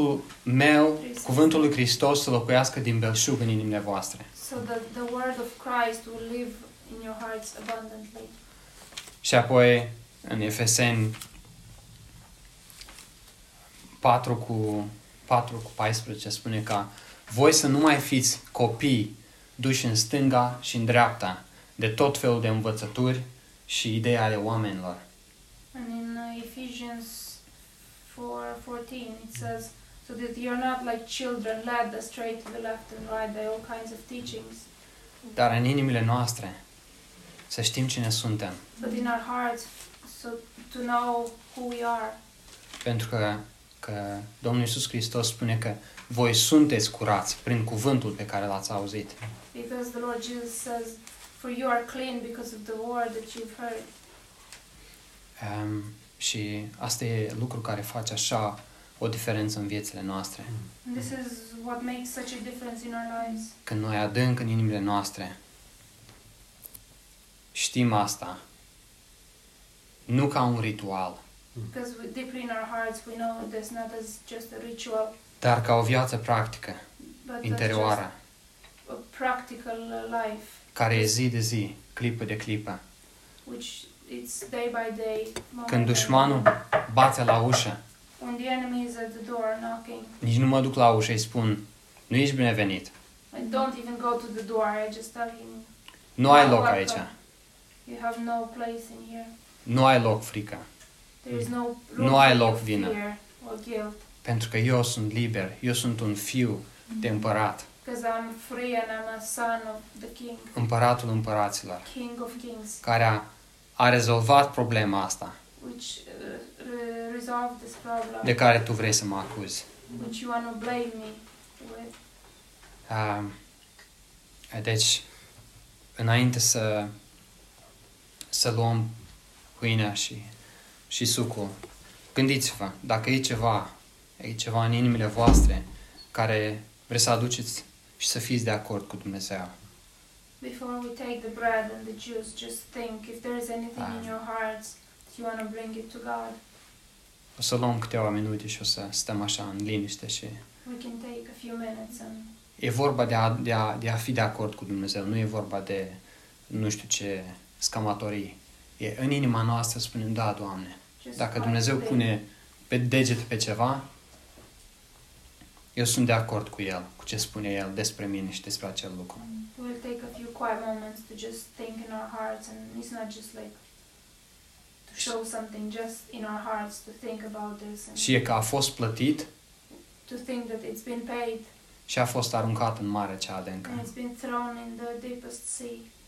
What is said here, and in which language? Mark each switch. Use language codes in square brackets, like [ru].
[en] 3:16 or 16, he says, so that my word will live abundantly in you. No. Yeah. [ro] Cuvântul meu, [en] so that the word of Christ will live in your hearts abundantly. [ro] Și apoi în Efeseni 4:14 spune că voi să nu mai fiți copii duși în stânga și în dreapta de tot felul de învățături și idei ale oamenilor. [en] And in Ephesians 4:14 it says, so that you are not like children led astray to the left and right by all kinds of teachings. [ro] Dar în inimile noastre să știm cine suntem. [en] But in our hearts, so to know who we are. [ro] Pentru că Domnul Iisus Hristos spune că voi sunteți curați prin cuvântul pe care l-ați auzit. [en] Because the Lord Jesus says, for you are clean because of the word that you've heard. [ro] Și asta e lucru care face așa o diferență în viețile noastre. [en] And this is what makes such a difference in our lives. [ro] Când noi adânc în inimile noastre știm asta, nu ca un ritual. [en] Because we, deep in our hearts we know this not as just a ritual. [ro] Dar ca o viață practică, interioară. [en] A practical life. [ro] Care e zi de zi, clipă de clipă. [en] Which it's day by day. [ro] Când dușmanul bate la ușă. [en] When the enemy is at the door knocking. [ro] Nici nu mă duc la ușă, îi spun, nu ești binevenit. [en] I don't even go to the door, I just tell him. [ro] Nu ai loc aici. [en] You have no place in here. [ro] Nu ai loc frică. [en] There is no room, [ro] nu ai loc vină. [en] Fear or guilt. [ro] Pentru că eu sunt liber. Eu sunt un fiu de împărat. [en] Because I'm free and I'm a son of the king. [ro] Împăratul împăraților. [en] King of kings. [ro] Care a rezolvat problema asta. [en] Which resolved this problem. [ro] De care tu vrei să mă acuzi. [en] Which you want to blame me with. [ro] Deci, înainte să luăm hâinea și sucul, gândiți-vă, dacă e ceva în inimile voastre care vreți să aduceți și să fiți de acord cu Dumnezeu. [en] Before we take the bread and the juice, just think if there is anything in your hearts that you want to bring it to God. [ro] O să luăm câteva minute și o să stăm așa în liniște și [en] we can take a few minutes and [ro] e vorba de a fi de acord cu Dumnezeu, nu e vorba de nu știu ce scamatorii. E în inima noastră spunem, da, Doamne. Dacă Dumnezeu pune pe deget pe ceva, eu sunt de acord cu El, cu ce spune El despre mine și despre acel lucru. [en] We'll take a few quiet moments to just think in our hearts, and it's not just like to show something just in our hearts to think about this. [ro] Și e că a fost plătit. [en] To think that it's been paid. [ro] Și a fost aruncat în mare cea adâncă. [en] And it's been thrown in the deepest sea.